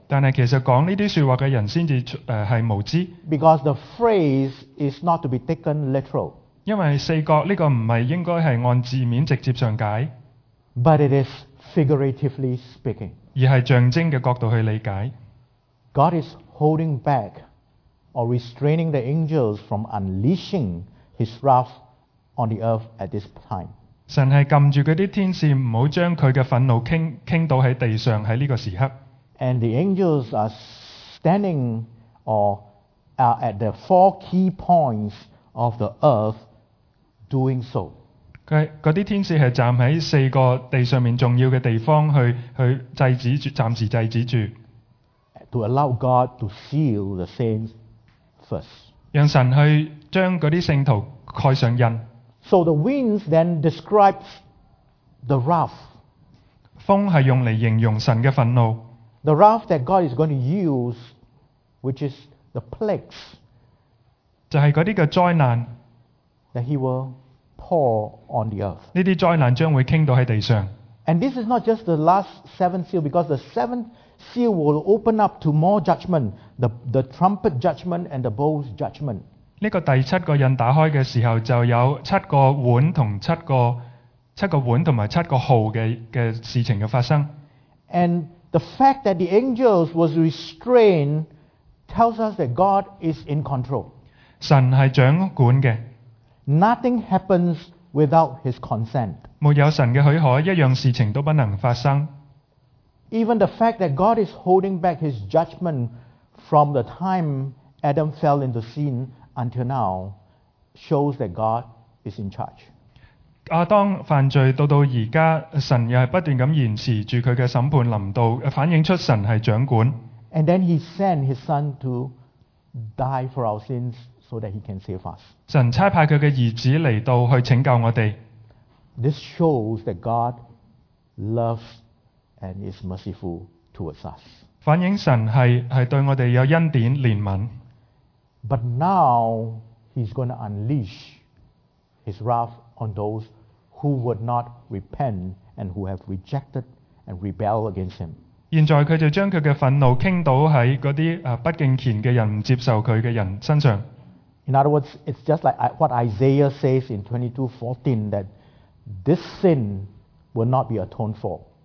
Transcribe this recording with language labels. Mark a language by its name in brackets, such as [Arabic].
[Chinese] 但是其实讲这些说话的人才是无知。 [English] Because the phrase is not to be taken literal. [Chinese] 因为四角这个不是应该是按字面直接上解。 [English] But it is figuratively speaking. [Chinese] 而是象征的角度去理解。 [English] God is holding back or restraining the angels from unleashing his wrath on the earth at this time. [Chinese] 神是按住那些天使不要将他的愤怒倾倒在地上在这个时刻。 [English] And the angels are standing or are at the four key points of the earth doing so. [Chinese] 那些天使是站在四个地上重要的地方去制止住，暂时制止住。 [English] To allow God to seal the saints first. [Chinese] 让神去将那些圣徒盖上印。 [English] So the winds then describes the wrath. [Chinese] 风是用来形容神的愤怒。 [English] The wrath that God is going to use, which is the plagues. [Chinese] 就是那些的灾难。 [English] That he will pour on the earth. [Chinese] 这些灾难将会倾倒在地上。 [English] And this is not just the last seventh seal, because the seventh seal will open up to more judgment, the trumpet judgment and the bowl's judgment. [Chinese] 这个第七个印打开的时候就有七个碗和七个碗和七个号 的事情的发生。 [English] And the fact that the angels was restrained tells us that God is in control. [Chinese] 神是掌管的。 [English] Nothing happens without his consent. [Chinese] 没有神的许可一样事情都不能发生。 [English] Even the fact that God is holding back his judgment from the time Adam fell into sin,until now, shows that God is in charge. [Chinese] 亚当犯罪到现在，神又是不断地延迟住他的审判临到，反映出神是掌管。 [English] And then he sent his son to die for our sins so that he can save us. [Chinese] 神差派他的儿子来到去拯救我们。 [English] This shows that God loves and is merciful towards us. [Chinese] 反映神是对我们有恩典怜悯。 [English] But now He's going to unleash His wrath on those who would not repent and who have rejected and rebelled against Him. [Chinese] 現在他就將他的憤怒傾倒在那些不敬虔的人、不接受他的人身上。 [English] In other words, it's just like what Isaiah says in 22:14 that this sin will not be atoned for.